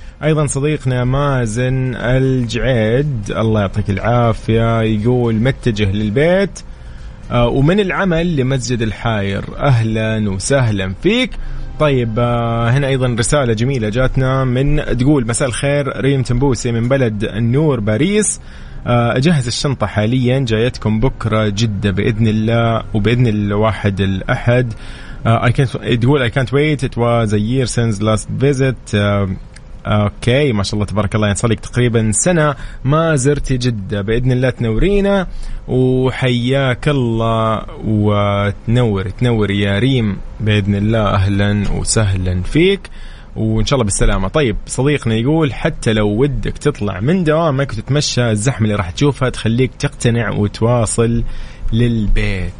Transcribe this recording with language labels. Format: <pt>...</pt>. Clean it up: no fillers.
<ar>أيضا صديقنا مازن الجعيد الله يعطيك العافية يقول متجه للبيت ومن العمل لمسجد الحائر، أهلا وسهلا فيك. طيب هنا أيضا رسالة جميلة جاتنا من تقول مساء الخير ريم تنبوسي من بلد النور باريس، أجهز الشنطة حاليا جايتكم بكرة جدة بإذن الله وبإذن الواحد الأحد.</ar> <en>تقول I can't wait it was a year since last visit.</en> <ar>أوكي ما شاء الله تبارك الله، ينصلك تقريبا سنة ما زرتي جدة، بإذن الله تنورينا وحياك الله وتنور تنور يا ريم بإذن الله. أهلا وسهلا فيك وإن شاء الله بالسلامة. طيب صديقنا يقول حتى لو ودك تطلع من دوامك وتتمشى الزحمة اللي راح تشوفها تخليك تقتنع وتواصل للبيت.</ar>